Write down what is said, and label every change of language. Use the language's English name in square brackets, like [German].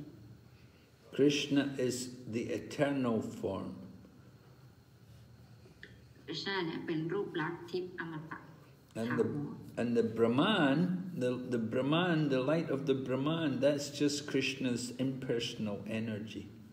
[English] Krishna is the eternal form [Thai] คริสต์เนี่ยเป็นรูปลักษณ์ที่อมตะ [English] and the Brahman the Brahman, the light of the Brahman, that's just Krishna's impersonal energy.